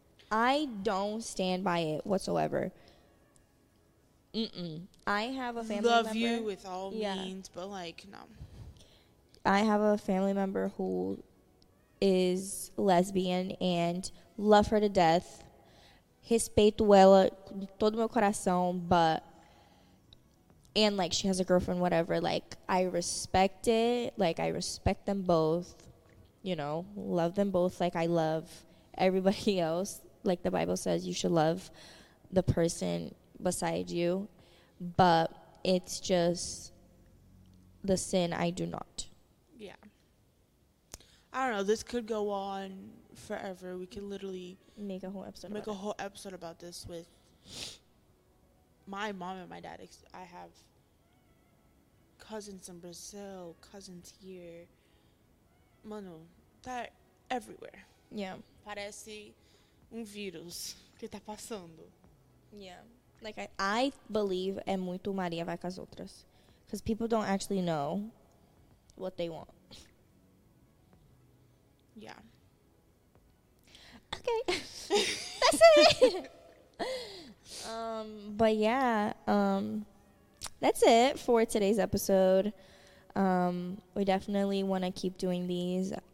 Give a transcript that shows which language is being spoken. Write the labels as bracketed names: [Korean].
[English] I don't stand by it whatsoever. Mm-mm. I have a family love member. Love you with all means, but, like, no. I have a family member who is lesbian and love her to death. [Portuguese] Respeito ela com todo meu coração, [English] but... And, like, she has a girlfriend, whatever. Like, I respect it. Like, I respect them both. You know, love them both like I love everybody else. Like the Bible says, you should love the person beside you. But it's just the sin I do not. Yeah. I don't know. This could go on forever. We could literally make a whole episode. Make a whole episode about this with my mom and my dad. I have cousins in Brazil, cousins here. Mano, that everywhere. Yeah. [Portuguese] Parece virus que tá passando. [English] Yeah. Like, I believe [Portuguese] é muito Maria vai com as outras. [English] Because people don't actually know what they want. Yeah. Okay. That's it. But yeah. That's it for today's episode. We definitely want to keep doing these.